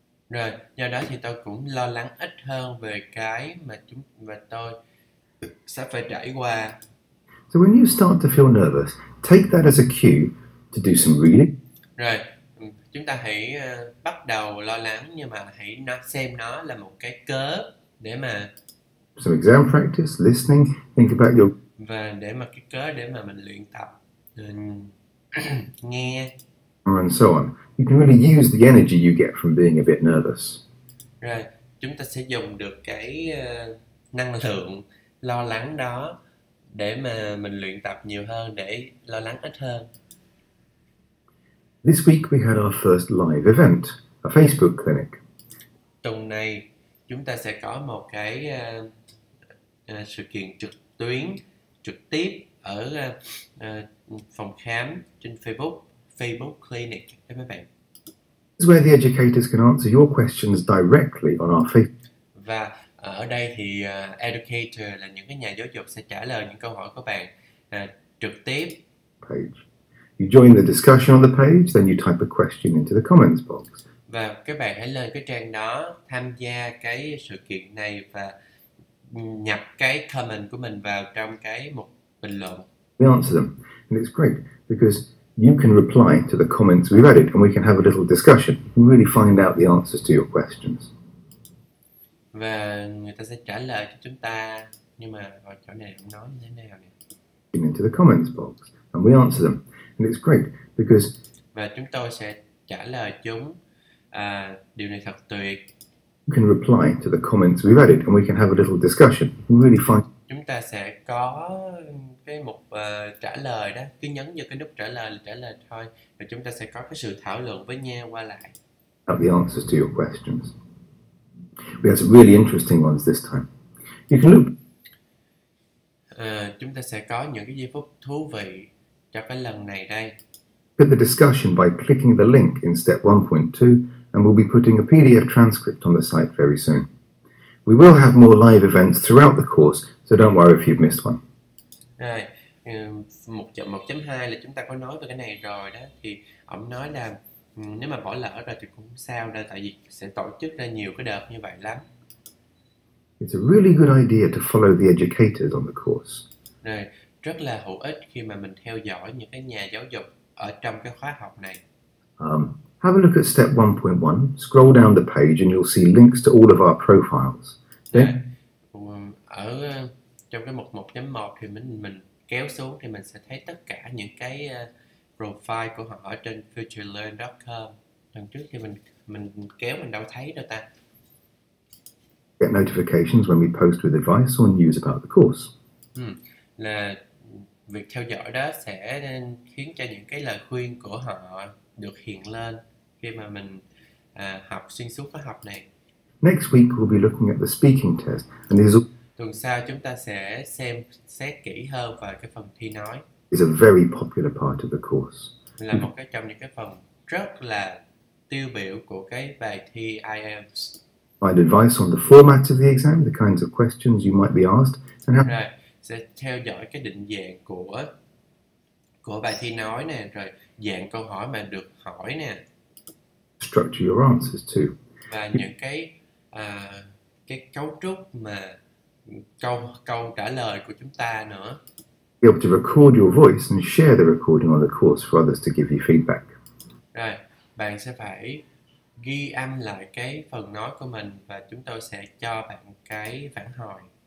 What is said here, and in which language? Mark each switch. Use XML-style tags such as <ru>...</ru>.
<vi>Rồi, do đó thì tôi cũng lo lắng ít hơn về cái mà tôi sẽ phải trải qua.</vi> <en>So when you start to feel nervous, take that as a cue to do some reading.</en> <vi>Rồi, chúng ta hãy bắt đầu lo lắng nhưng mà hãy xem nó là một cái cớ để mà</vi> <en>some exam practice, listening, think about your</en> <vi>và để mà cái cớ để mà mình luyện tập nghe</vi> <en>and so on. You can really use the energy you get from being a bit nervous.</en> <vi>Rồi, chúng ta sẽ dùng được cái năng lượng lo lắng đó để mà mình luyện tập nhiều hơn, để lo lắng ít hơn.</vi> <en>This week we had our first live event, a Facebook clinic.</en> <vi>Tuần này chúng ta sẽ có một cái sự kiện trực tiếp ở phòng khám trên Facebook clinic các bạn.</vi> <en>This is where the educators can answer your questions directly on our Facebook.</en> <vi>Và ở đây thì educator là những cái nhà giáo dục sẽ trả lời những câu hỏi của bạn trực tiếp.</vi> <en>Page. You join the discussion on the page, then you type a question into the comments box.</en> <vi>Và các bạn hãy lên cái trang đó, tham gia cái sự kiện này và nhập cái comment của mình vào trong cái mục bình luận.</vi> <en>We answer them, and it's great because you can reply to the comments we've added, and we can have a little discussion and really find out the answers to your questions.</en> <vi>Và người ta sẽ trả lời cho chúng ta, nhưng mà ở chỗ này không nói như thế nào nè.</vi> <en>Into the comments box, and we answer them. And it's great because</en> <vi>và chúng tôi sẽ trả lời chúng điều này thật tuyệt.</vi> <en>You can reply to the comments we've added and we can have a little discussion. Really fun.</en> <vi>Chúng ta sẽ có cái mục trả lời đó, cứ nhấn vào cái nút trả lời thôi và chúng ta sẽ có cái sự thảo luận với nhau qua lại.</vi> <en>About the answers to your questions. We have some really interesting ones this time. You can look.</en> <vi>Chúng ta sẽ có những cái giây phút thú vị cho cái lần này đây.</vi> <en>Put the discussion by clicking the link in step 1.2 and we'll be putting a PDF transcript on the site very soon. We will have more live events throughout the course, so don't worry if you've missed one.</en> <vi>Rồi, 1.2 là chúng ta có nói về cái này rồi đó, thì ông nói là nếu mà bỏ lỡ rồi thì cũng sao đâu, tại vì sẽ tổ chức ra nhiều cái đợt như vậy lắm.</vi> <en>It's a really good idea to follow the educators on the course.</en> <vi>Rồi, rất là hữu ích khi mà mình theo dõi những cái nhà giáo dục ở trong cái khóa học này.</vi> <en>Have a look at step 1.1, scroll down the page and you'll see links to all of our profiles.</en> <vi>Then, ở trong cái mục 1.1 thì mình kéo xuống thì mình sẽ thấy tất cả những cái profile của họ ở trên futurelearn.com. Lần trước thì mình kéo mình đâu thấy đâu ta.</vi> <en>Get notifications when we post with advice or news about the course.</en> <vi>Là việc theo dõi đó sẽ khiến cho những cái lời khuyên của họ được hiện lên khi mà mình học xuyên suốt khóa học này.</vi> <en>Next week we'll be looking at the speaking test and these are...</en> <vi>Tuần sau chúng ta sẽ xem xét kỹ hơn vào cái phần thi nói.</vi> <en>It's a very popular part of the course.</en> <vi>Là một cái trong những cái phần rất là tiêu biểu của cái bài thi IELTS.</vi> <en>Find advice on the format of the exam, the kinds of questions you might be asked, and how.</en> <vi>Rồi, sẽ theo dõi cái định dạng của bài thi nói nè, rồi dạng câu hỏi mà được hỏi nè.</vi> <en>Structure your answers too.</en> <vi>Và những cái cấu trúc mà câu trả lời của chúng ta nữa.</vi> <en>Be able to record your voice and share the recording on the course for others to give you feedback.</en> <vi>Rồi, bạn sẽ phải ghi âm lại cái phần nói của mình và chúng tôi sẽ cho bạn cái phản hồi.</vi>